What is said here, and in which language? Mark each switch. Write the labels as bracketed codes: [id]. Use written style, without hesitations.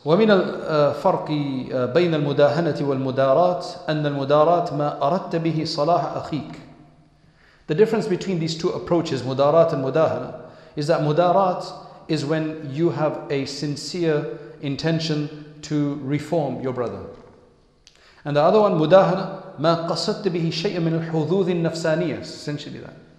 [ar] ومن الفرق بين المداهنة والمدارات أن المدارات ما أردت به صلاح أخيك. [en] The difference between these two approaches, مدارات and مداهنة, is that مدارات is when you have a sincere intention to reform your brother. And the other one, [ar] مداهنة, ما قصدت به شيء من الحظوظ النفسانية, [en] essentially that.